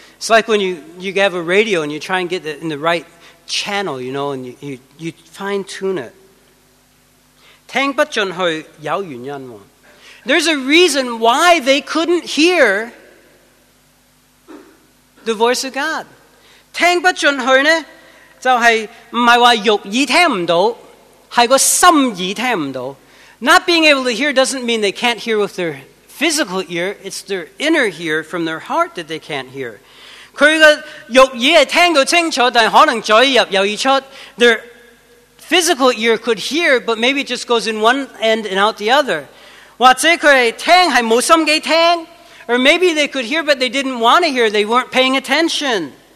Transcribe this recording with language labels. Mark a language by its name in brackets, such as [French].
[English] It's like when you have a radio and you try and get it in the right channel, you know, and you fine-tune it. [Chinese] 聽不進去有原因。 [English] There's a reason why they couldn't hear the voice of God. [Chinese] 聽不進去呢,就是不是說肉耳聽不到,是個心耳聽不到。 [English] Not being able to hear doesn't mean they can't hear with their physical ear, it's their inner ear from their heart that they can't hear. [Chinese] 他的肉耳是聽得清楚,但可能左耳入,右耳出, [English] their physical ear could hear, but maybe it just goes in one end and out the other. [Chinese] 或者他聽是沒心機聽, [English] or maybe they could hear, but they didn't want to hear, they weren't paying attention.